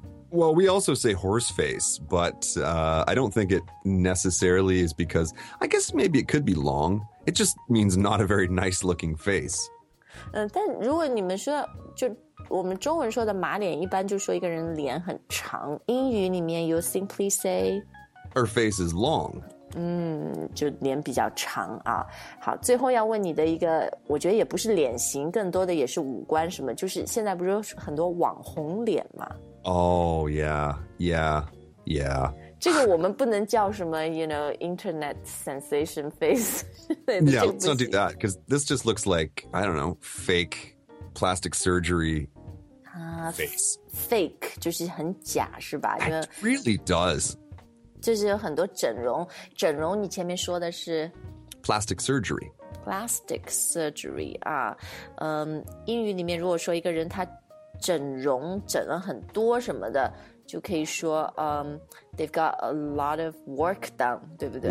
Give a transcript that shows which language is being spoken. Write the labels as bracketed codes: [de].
[en] Well, we also say horse face, but I don't think it necessarily is because, I guess maybe it could be long. It just means not a very nice looking face. [zh] 但如果你们说，就我们中文说的马脸，一般就说一个人脸很长。英语里面 [en] you simply say... Her face is long. [zh] 就脸比较长啊。好，最后要问你的一个，我觉得也不是脸型，更多的也是五官什么，就是现在不是有很多网红脸吗？ [en] Oh, yeah. [zh] 这个我们不能叫什么, [en] you know, internet sensation face. Yeah, let's not do that, because this just looks like, I don't know, fake plastic surgery face. [zh] Fake, 就是很假是吧? [en] It really does. [zh] 就是有很多整容你前面说的是? [en] Plastic surgery. Plastic surgery, [zh] 啊。英语里面如果说一个人他整容整了很多什么的就可以说 [en] they've got a lot of work done, [zh] 对不对?